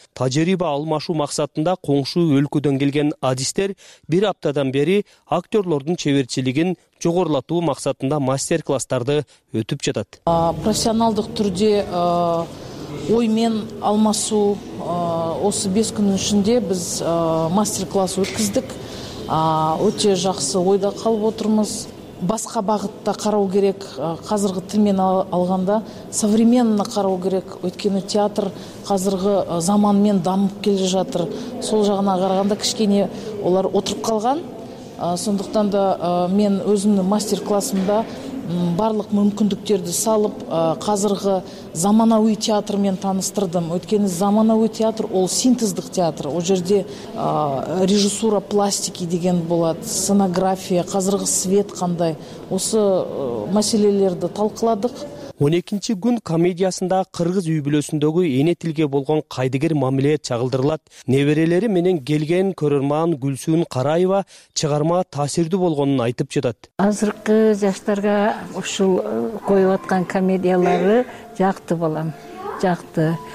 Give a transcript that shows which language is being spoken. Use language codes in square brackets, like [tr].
[ky] Тажрыйба алмашуу максатында коңшу өлкөдөн келген адистер бир аптадан бери актерлордун чеберчилигин жогорулатуу максатында мастер-класстарды өтүп жатат. Профессионалдык түрдө ой мен алмашуу осы 5 күндүн ичинде биз мастер-класс өткүздүк. Өтө жакшы ойдо калып отурмуз. [kk] Басқа бағытта қарау керек, қазіргі тілмен алғанда современно қарау керек, өйткені театр қазіргі заманмен дамып келе жатыр. Сол жағына қарағанда кішкене олар отырып қалған. Сондықтан да мен өзімнің мастер-классымда барлық мүмкіндіктерді салып, қазіргі заманауи театрмен таныстырдым. Өйткені заманауи театр ол синтездық театр. Ол жерде режиссура пластики деген болады, сценография, қазіргі свет қандай. Осы мәселелерді талқыладық. [ky] 12-чи күн комедиясында кыргыз үй бүлөсүндөгү эне тилге болгон кайдыгер мамиле чагылдырылат. Неберелери менен келген көрөрман Гүлсүн Караева чыгарма таасирдүү болгонун айтып жатат. Азыркы жаштарга ушул коюп аткан комедиялары жакты болом. Жакты.